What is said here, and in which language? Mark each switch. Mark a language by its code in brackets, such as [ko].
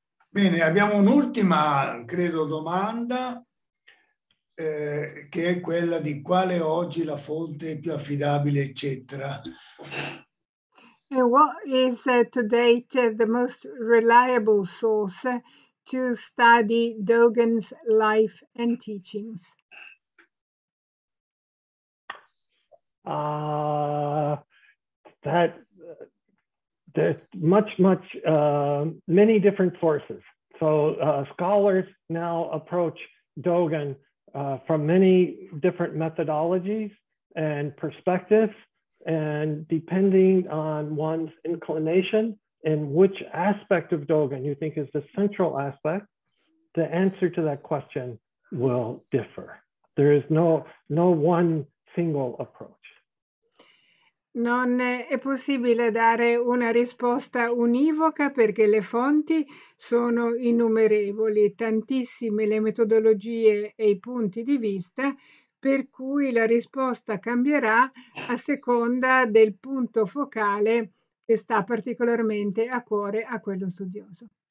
[it] Bene, abbiamo un'ultima, credo, domanda, che è quella di quale oggi la fonte è più affidabile, eccetera. [en] And what is to date the most reliable source to study Dogen's life and teachings? Many different sources. So scholars now approach Dogen from many different methodologies and perspectives, and depending on one's inclination and which aspect of Dogen you think is the central aspect, the answer to that question will differ. There is no one single approach. [it] Non è possibile dare una risposta univoca perché le fonti sono innumerevoli, tantissime le metodologie e i punti di vista, per cui la risposta cambierà a seconda del punto focale che sta particolarmente a cuore a quello studioso.